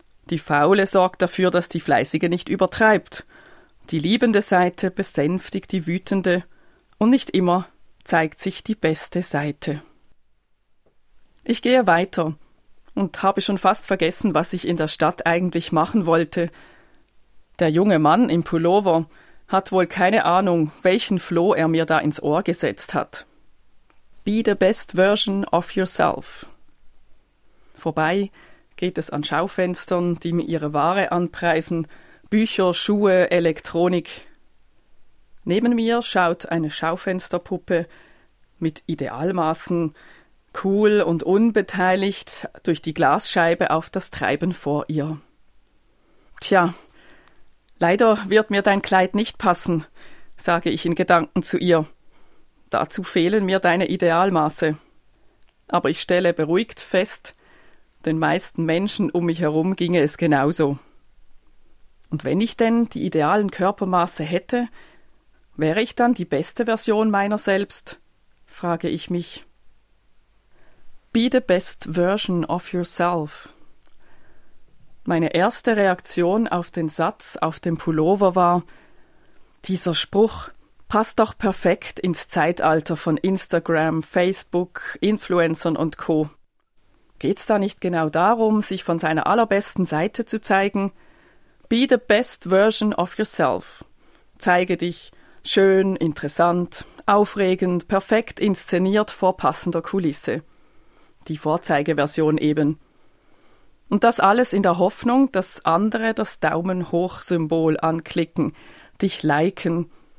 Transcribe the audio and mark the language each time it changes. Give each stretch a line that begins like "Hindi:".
German: Die Faule sorgt dafür, dass die Fleißige nicht übertreibt. Die liebende Seite besänftigt die wütende und nicht immer zeigt sich die beste Seite. Ich gehe weiter und habe schon fast vergessen, was ich in der Stadt eigentlich machen wollte. Der junge Mann im Pullover hat wohl keine Ahnung, welchen Floh er mir da ins Ohr gesetzt hat.
English: Be the best version of yourself.
German: Vorbei geht es an Schaufenstern, die mir ihre Ware anpreisen, Bücher, Schuhe, Elektronik. Neben mir schaut eine Schaufensterpuppe mit Idealmaßen, cool und unbeteiligt durch die Glasscheibe auf das Treiben vor ihr. Tja, leider wird mir dein Kleid nicht passen, sage ich in Gedanken zu ihr. Dazu fehlen mir deine Idealmaße. Aber ich stelle beruhigt fest, den meisten Menschen um mich herum ginge es genauso. Und wenn ich denn die idealen Körpermaße hätte, wäre ich dann die beste Version meiner selbst, frage ich mich.
English: Be the best version of yourself.
German: Meine erste Reaktion auf den Satz auf dem Pullover war: Dieser Spruch passt doch perfekt ins Zeitalter von Instagram, Facebook, Influencern und Co. Geht's da nicht genau darum, sich von seiner allerbesten Seite zu zeigen?
English: Be the best version of yourself.
German: Zeige dich schön, interessant, aufregend, perfekt inszeniert vor passender Kulisse. Die Vorzeigeversion eben. Und das alles in der Hoffnung, dass andere das Daumen-Hoch-Symbol anklicken, dich liken.